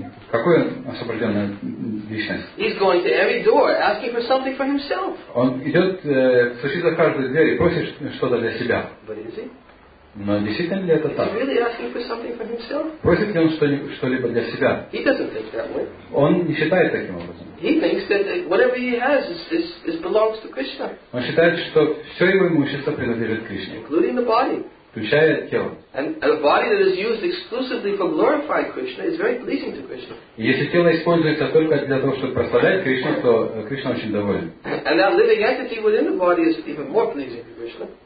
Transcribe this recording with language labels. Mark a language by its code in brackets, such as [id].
[ru] Какой он освобожденный личность? [en] He's going to every door asking for something for himself. [ru] Он идет, стучит за каждую дверь и просит что-то для себя. [en] But is he? [ru] Но действительно ли это так? [en] He really asking for something for himself? [ru] Просит ли он что-либо для себя? [en] He doesn't think that way. [ru] Он не считает таким образом. [en] He thinks that whatever he has is belongs to Krishna. [ru] Он считает, что все его имущество принадлежит Кришне. [en] Including the body. [ru] Включая тело. [en] And a body that is used exclusively for glorifying Krishna is very pleasing to Krishna. [ru] Если тело используется только для того, чтобы прославлять Кришну, то Кришна очень доволен. [en] And that living entity within the body is even more pleasing to Krishna.